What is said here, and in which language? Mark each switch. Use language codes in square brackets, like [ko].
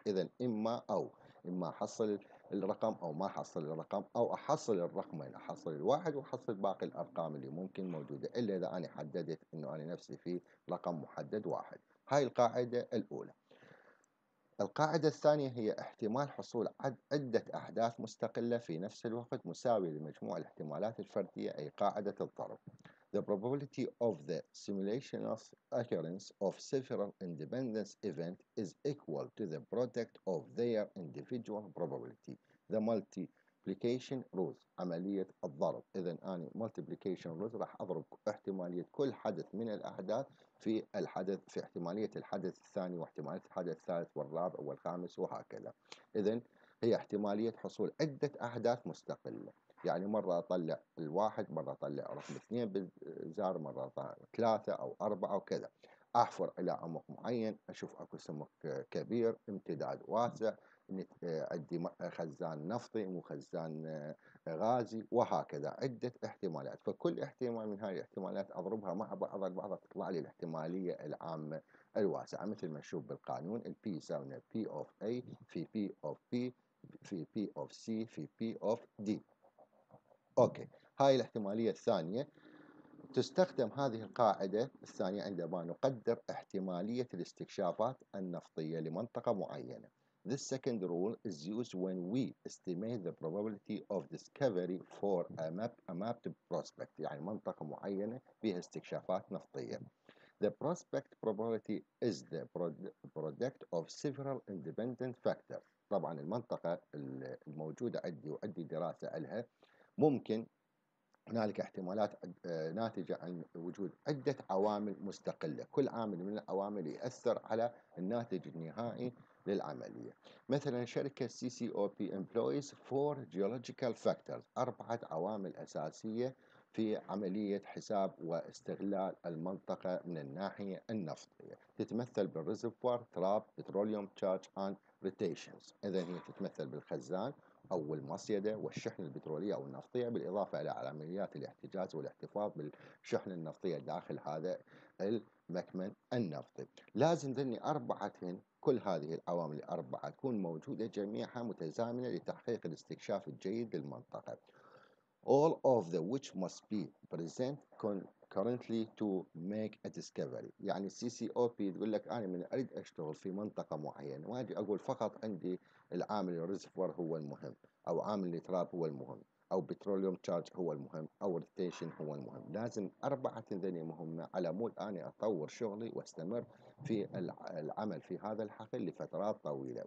[ar] إذن إما أو، إما حصل الرقم أو ما حصل الرقم، أو أحصل الرقمين، أحصل الواحد وأحصل باقي الأرقام اللي ممكن موجودة إلا إذا أنا حددت أنه أنا نفسي في رقم محدد واحد. هاي القاعدة الأولى. القاعدة الثانية هي احتمال حصول عدة أحداث مستقلة في نفس الوقت مساوي لمجموع الاحتمالات الفردية، أي قاعدة الضرب. [en] The probability of the simultaneous occurrence of several independent events is equal to the product of their individual probability. The multiplication rules. [ar] عملية الضرب. إذن أنا multiplication rules راح أضرب احتمالية كل حدث من الأحداث في الحدث في احتمالية الحدث الثاني واحتمالية الحدث الثالث والرابع والخامس وهكذا. إذن هي احتمالية حصول عدة أحداث مستقلة، يعني مرة أطلع الواحد، مرة أطلع رقم اثنين بالزار، مرة أطلع ثلاثة أو أربعة وكذا. أحفر إلى عمق معين، أشوف أكو سمك كبير، امتداد واسع، عندي خزان نفطي، مخزان غازي وهكذا، عدة احتمالات. فكل احتمال من هذه الاحتمالات أضربها مع بعضها البعض تطلع لي الاحتمالية العامة الواسعة، مثل ما نشوف بالقانون الـ P يساوي P of A في P of B في P of C في P of D. أوكي، هاي الاحتمالية الثانية. تستخدم هذه القاعدة الثانية عندما نقدر احتمالية الاستكشافات النفطية لمنطقة معينة. [en] This second rule is used when we estimate the probability of discovery for a mapped prospect. [ar] يعني منطقة معينة فيها استكشافات نفطية. [en] The prospect probability is the product of several independent factors. [ar] طبعا المنطقة الموجودة عندي وعندي دراسة لها ممكن هناك احتمالات ناتجة عن وجود عدة عوامل مستقلة، كل عامل من العوامل يؤثر على الناتج النهائي للعملية. مثلا شركة CCOP [en] employs four geological factors، [ar] أربعة عوامل أساسية في عملية حساب واستغلال المنطقة من الناحية النفطية، تتمثل بالريزرفوار، تراب، بتروليوم تشارج اند روتيشنز. إذا هي تتمثل بالخزان أو المصيدة والشحن البترولية أو النفطية، بالإضافة إلى عمليات الاحتجاز والاحتفاظ بالشحن النفطية داخل هذا المكمن النفطي. لازم ذني أربعة هن كل هذه العوامل الأربعة تكون موجودة جميعها متزامنة لتحقيق الاستكشاف الجيد للمنطقة. [en] All of the which must be present concurrently to make a discovery. [ar] يعني CCOP تقول لك أنا من أريد أشتغل في منطقة معينة، ما أجي أقول فقط عندي العامل الريزرفوار هو المهم، أو عامل التراب هو المهم، أو بتروليوم تشارج هو المهم، أو روتيشن هو المهم. لازم أربعة ذني مهمة على مود أنا أطور شغلي واستمر في العمل في هذا الحقل لفترات طويلة.